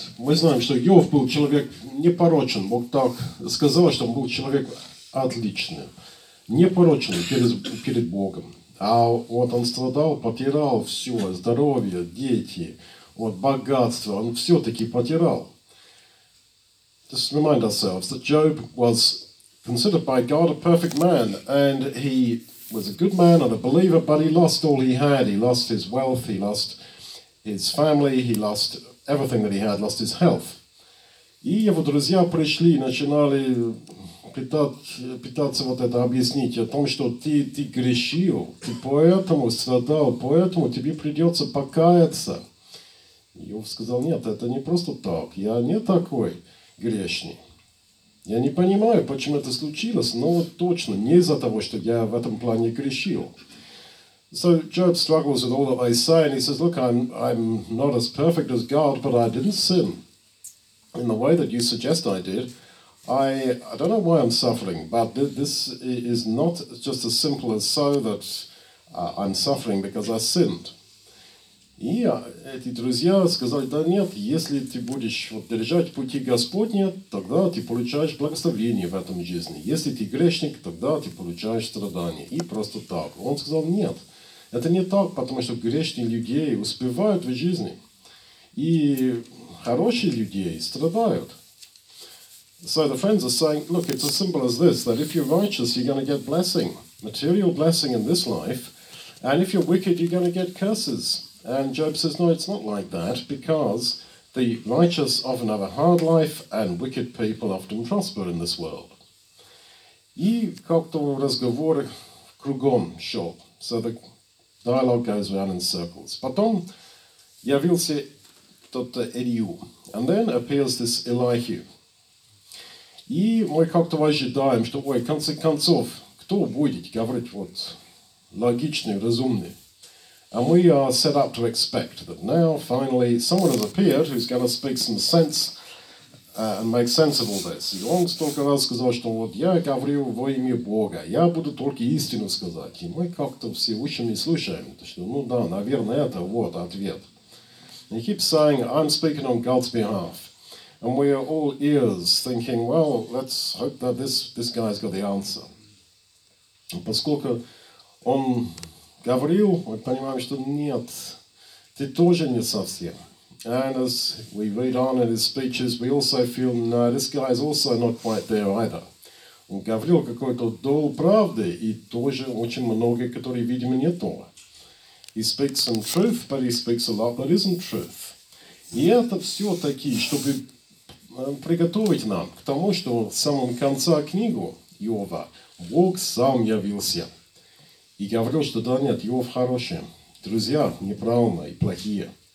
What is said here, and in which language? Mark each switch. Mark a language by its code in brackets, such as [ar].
[ru] Мы знаем, что Иов был человек непорочен. Бог так сказал, что он был человек отличный, непорочный перед Богом. А вот он страдал, потерял все, здоровье, дети, вот богатство, он все-таки потерял. [en] Just remind ourselves that Job was considered by God a perfect man, and he was a good man and a believer, but he lost all he had. He lost his wealth, he lost his family, he lost everything that he had, lost his health. [ru] И его друзья пришли и начинали пытаться вот это объяснить о том, что ты грешил, ты поэтому страдал, поэтому тебе придется покаяться. И он сказал, нет, это не просто так, я не такой грешный. Я не понимаю, почему это случилось, но точно не из-за того, что я в этом плане грешил. [en] So Job struggles with all that they say, and he says, look, I'm not as perfect as God, but I didn't sin in the way that you suggest I did. I don't know why I'm suffering, but this is not just as simple as so that I'm suffering because I sinned. [ru] И эти друзья сказали, да нет, если ты будешь вот держать пути Господни, тогда ты получаешь благословение в этом жизни. Если ты грешник, тогда ты получаешь страдания. И просто так. Он сказал, нет, это не так, потому что грешные люди успевают в жизни. И хорошие люди страдают. [en] So the friends are saying, look, it's as simple as this, that if you're righteous, you're going to get blessing, material blessing in this life, and if you're wicked, you're going to get curses. And Job says, no, it's not like that, because the righteous often have a hard life, and wicked people often prosper in this world. [ru] И как-то разговор кругом шел. [en] So the dialogue goes around in circles. [ru] Потом явился тот Элию. [en] And then appears this Elihu. [ru] И мы как-то ожидаем, что, ой, в конце концов, кто будет говорить вот логичный, разумный? [en] And we are set up to expect that now, finally, someone has appeared who's going to speak some sense and make sense of all this. [ru] И он столько раз сказал, что вот я говорю во имя Бога, я буду только истину сказать. И мы как-то все ушами слушаем, что, ну да, наверное, это вот ответ. [en] And he keeps saying, I'm speaking on God's behalf. And we are all ears, thinking, well, let's hope that this guy's got the answer. [ru] Поскольку он говорил, мы понимаем, что нет, ты тоже не совсем. [en] And as we read on in his speeches, we also feel, no, this guy is also not quite there either. [ru] Он говорил какой-то дол правды, и тоже очень многие, которые, видимо, не то. [en] He speaks some truth, but he speaks a lot that isn't truth. [ru] И это все-таки, чтобы приготовить нам к тому, что в самом конце книги Иова Бог сам явился и говорил, что да нет, Иов хороший, друзья неправильные и плохие.